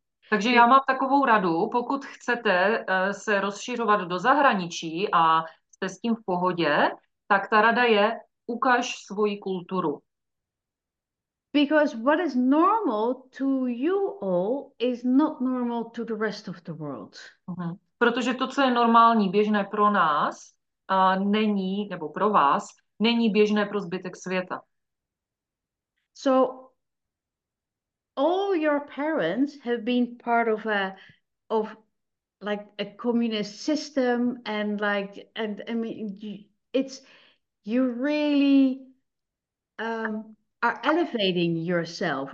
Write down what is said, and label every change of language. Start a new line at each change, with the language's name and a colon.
Czech: Takže já mám takovou radu, pokud chcete se rozšiřovat do zahraničí a jste s tím v pohodě, tak ta rada je, ukaž svoji kulturu.
English: Because what is normal to you all is not normal to the rest of the world.
Czech: Protože to, co je normální, běžné pro nás, není, nebo pro vás, není běžné pro zbytek světa.
English: So all your parents have been part of a communist system, and like, and I mean, it's you really are elevating yourself.